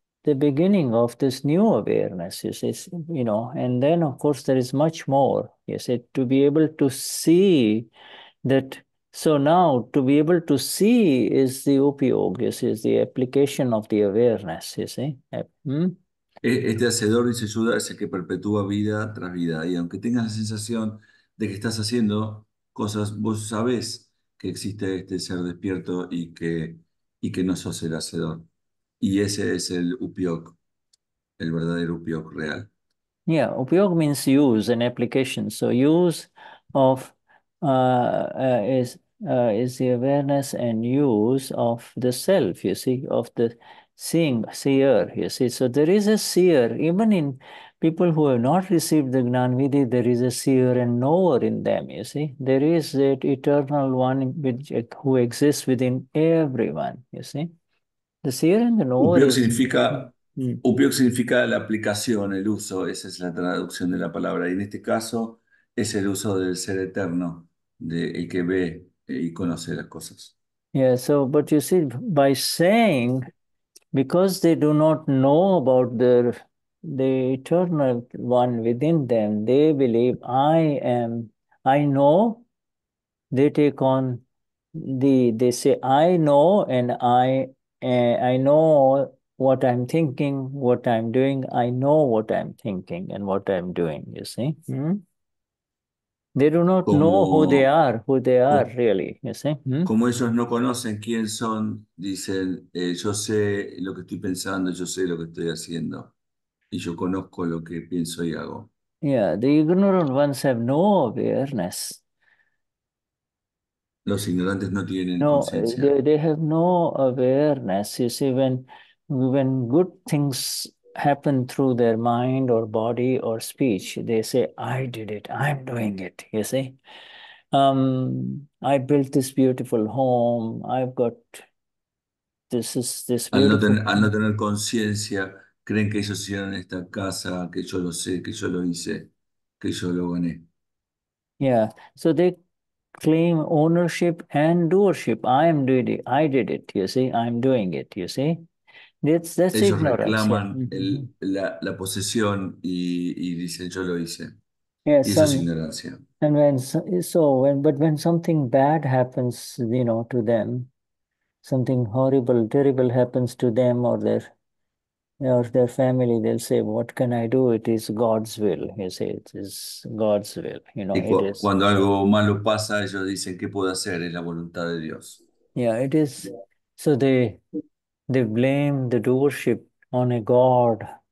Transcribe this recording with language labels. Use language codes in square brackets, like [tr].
[en] the beginning of this new awareness, you see, you know, and then of course there is much more, you see, to be able to see that. So now to be able to see is the upayoga, you see, is the application of the awareness, you see. [es] Este hacedor, dice Yuda, es el que perpetúa vida tras vida. Y aunque tengas la sensación de que estás haciendo cosas, vos sabés que existe este ser despierto y que no sos el hacedor. Y ese es el upyog, el verdadero upyog real. [en] Yeah, upyog means use and application. So use of is the awareness and use of the self, you see, of the seer, you see. So there is a seer, even in people who have not received the Gnanvidhi, there is a seer and knower in them, you see. There is that eternal one who exists within everyone, you see. The seer and the knower upyog is... [es] significa, upyog significa la aplicación, el uso, esa es la traducción de la palabra. Y en este caso es el uso del ser eterno, de el que ve y conoce las cosas. [en] Yeah, so, but you see, by saying... Because they do not know about the eternal one within them, they believe I know. They take on they say I know, and I know what I'm thinking, what I'm doing. I know what I'm thinking and what I'm doing. You see, They do not know who they are really, you see. [es] Como ellos no conocen quién son, dicen, yo sé lo que estoy pensando, yo sé lo que estoy haciendo, y yo conozco lo que pienso y hago. [en] Yeah, the ignorant ones have no awareness. [es] Los ignorantes no tienen no, conciencia. [en] They have no awareness, you see, when good things happen through their mind or body or speech, they say, I did it, I'm doing it, you see. I built this beautiful home, I've got this beautiful home. [es] Al no tener conciencia, creen que ellos hicieron esta casa, que yo lo sé, que yo lo hice, que yo lo gané. [en] Yeah, so they claim ownership and doership. I am doing it, I did it, you see, I'm doing it, you see. That's [es] ellos [en] ignorance. [es] Reclaman [en] yeah. [es] la posesión y dicen yo lo hice. [en] Yeah, [es] Y eso es ignorancia. [en] And when when something bad happens, you know, to them, something horrible, terrible happens to them or their family, they'll say, "What can I do? It is God's will." You say, "It is God's will." You know, it is. [es] Cuando algo malo pasa, ellos dicen, ¿qué puedo hacer? Es la voluntad de Dios. [en] Yeah, it is. So they blame the doership on a God.